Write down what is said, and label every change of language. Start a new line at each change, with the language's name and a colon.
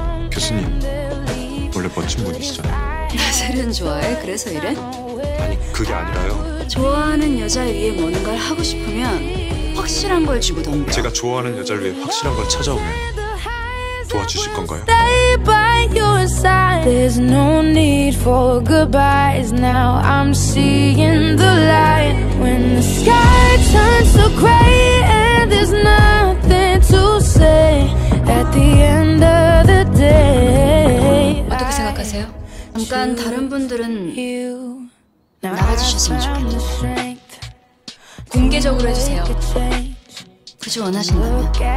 Korean: 교수님 원래 멋진 분이시잖아요. 나 세련 좋아해? 그래서 이래? 아니 그게 아니라요. 좋아하는 여자에 의해 뭔가를 하고 싶으면 확실한 걸 주고 던져. 제가 좋아하는 여자를 위해 확실한 걸 찾아오면 도와주실 건가요?
English: Stay by your side. There's no need for goodbyes. Now I'm seeing the light. When the sky turns so gray and there's nothing to say. At the end of the day.
Korean: 어떻게 생각하세요? 잠깐 다른 분들은 나가주셨으면 좋겠네요. 공개적으로 해주세요. 굳이 원하신다면.